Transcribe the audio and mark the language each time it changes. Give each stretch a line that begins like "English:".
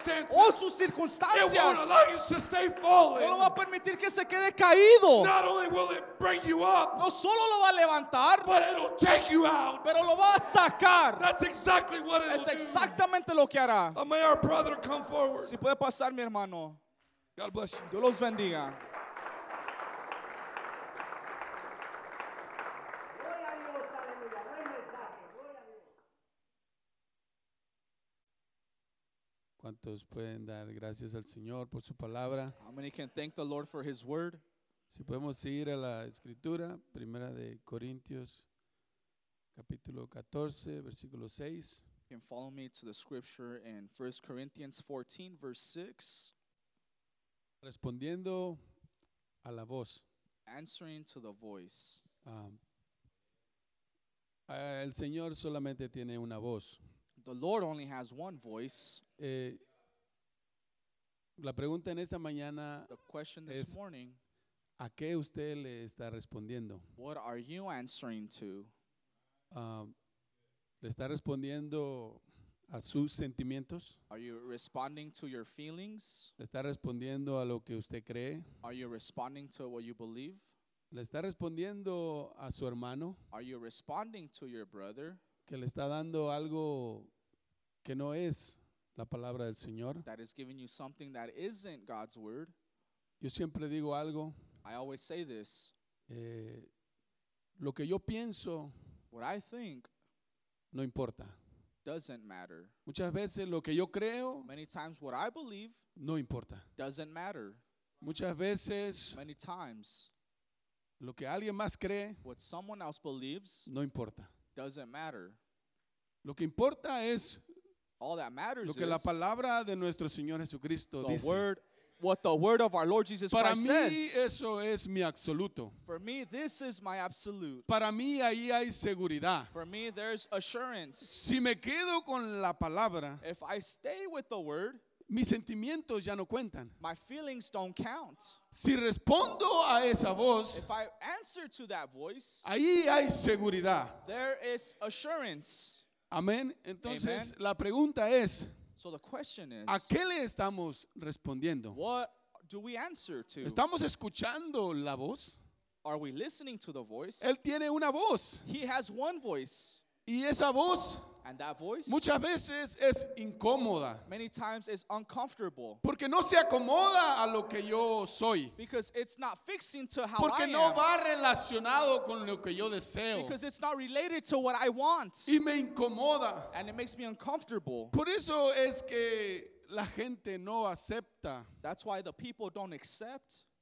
Spanish: O sus circunstancias. No lo va a permitir que se quede caído.
English: Not only will it bring you up,
Spanish: no solo lo va a levantar.
English: But it'll take you out.
Spanish: Pero lo va a sacar.
English: That's exactly what it'll
Spanish: es exactamente lo que hará.
English: May our brother come forward.
Spanish: Si puede pasar mi hermano.
English: God bless you.
Spanish: Dios los bendiga. ¿Cuántos pueden dar gracias al Señor por su palabra?
English: How many can thank the Lord for his word?
Spanish: Si podemos ir a la escritura, Primera de Corintios, capítulo 14, versículo 6.
English: You can follow me to the scripture in 1 Corinthians 14, verse 6.
Spanish: Respondiendo a la voz.
English: Answering to the voice.
Spanish: El Señor solamente tiene una voz.
English: The Lord only has one voice.
Spanish: La pregunta en esta mañana es,
English: this morning,
Spanish: ¿a qué usted le está respondiendo?
English: What are you answering to?
Spanish: ¿Le está respondiendo a sus sentimientos?
English: Are you responding to your feelings?
Spanish: ¿Le está respondiendo a lo que usted cree?
English: Are you responding to what you believe?
Spanish: ¿Le está respondiendo a su hermano?
English: Are you responding to your brother?
Spanish: Que le está dando algo que no es la palabra del Señor.
English: That is giving you something that isn't God's word.
Spanish: Yo siempre digo algo.
English: I always say this.
Spanish: Lo que yo pienso,
English: what I think,
Spanish: no importa.
English: Doesn't matter.
Spanish: Muchas veces lo que yo creo,
English: many times what I believe,
Spanish: no importa.
English: Doesn't matter.
Spanish: Muchas veces,
English: many times,
Spanish: lo que alguien más cree,
English: what someone else believes,
Spanish: no importa.
English: Doesn't matter.
Spanish: Lo que importa es,
English: all that matters,
Spanish: lo que la palabra de nuestro Señor Jesucristo
English: the
Spanish: dice.
English: Word, what the word of our Lord Jesus
Spanish: para
English: Christ
Spanish: mí,
English: says.
Spanish: Eso es mi absoluto.
English: For me, this is my absolute.
Spanish: Para mí, ahí hay seguridad.
English: For me, there's assurance.
Spanish: Si me quedo con la palabra,
English: if I stay with the word,
Spanish: mis sentimientos ya no cuentan.
English: My feelings don't count.
Spanish: Si respondo a esa voz,
English: if I answer to that voice,
Spanish: ahí hay seguridad.
English: There is assurance.
Spanish: Amén. Entonces, amen. La pregunta es,
English: so the question is,
Spanish: ¿a qué le estamos respondiendo?
English: What do we answer to?
Spanish: ¿Estamos escuchando la voz?
English: Are we listening to the voice?
Spanish: Él tiene una voz.
English: He has one voice.
Spanish: Y esa voz,
English: and that voice,
Spanish: muchas veces es incómoda.
English: Many times is uncomfortable.
Spanish: Porque no se acomoda a lo que yo soy.
English: Because it's not fixing to how
Spanish: porque
English: I
Spanish: no
English: am.
Spanish: Va relacionado con lo que yo deseo.
English: Because it's not related to what I want.
Spanish: Y me incomoda.
English: And it makes me uncomfortable.
Spanish: Por eso es que la gente no acepta.
English: That's why the people don't accept